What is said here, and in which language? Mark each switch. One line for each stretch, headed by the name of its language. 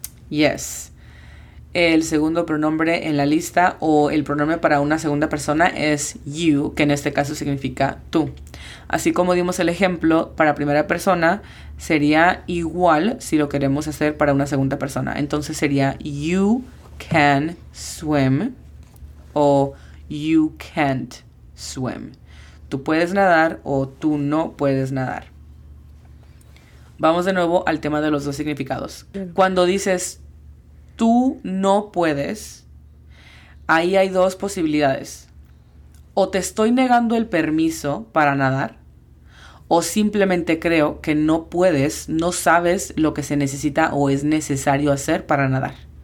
Spanish: Yes. El segundo pronombre en la lista o el pronombre para una segunda persona es you, que en este caso significa tú. Así como dimos el ejemplo para primera persona, sería igual si lo queremos hacer para una segunda persona. Entonces sería
English: you can swim
Spanish: o
English: you can't swim.
Spanish: Tú puedes nadar o tú no puedes nadar. Vamos de nuevo al tema de los dos significados. Cuando dices tú no puedes, ahí hay dos posibilidades. O te estoy negando el permiso para nadar, o simplemente creo que no puedes, no sabes lo que se necesita o es necesario hacer para nadar.